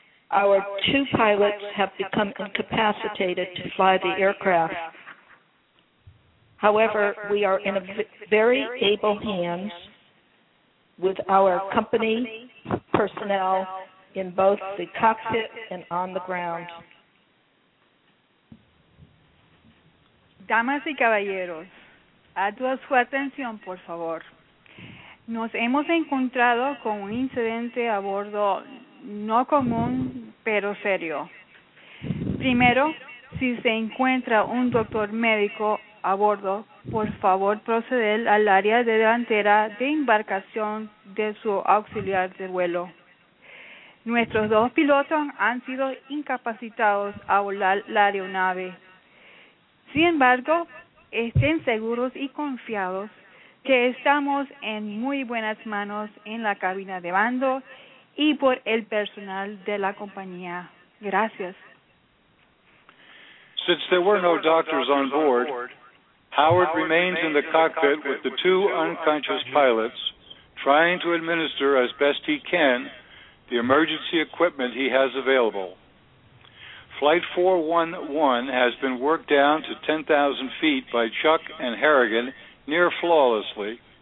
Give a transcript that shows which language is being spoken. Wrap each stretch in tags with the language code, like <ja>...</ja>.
<en>Our two pilots have become incapacitated to fly the aircraft. However, we are in very able hands with our company personnel in both the cockpit and on the ground.</en> <es>Damas y caballeros, alto su atención, por favor. Nos hemos encontrado con un incidente a bordo no común, pero serio. Primero, si se encuentra un doctor médico a bordo, por favor proceder al área de delantera de embarcación de su auxiliar de vuelo. Nuestros dos pilotos han sido incapacitados a volar la aeronave. Sin embargo, estén seguros y confiados que estamos en muy buenas manos en la cabina de mando y por el personal de la compañía. Gracias.</es> <en>Since there were no doctors on board, Howard remains in the cockpit with the two unconscious pilots, trying to administer as best he can the emergency equipment he has available. Flight 411 has been worked down to 10,000 feet by Chuck and Harrigan near flawlessly.</en>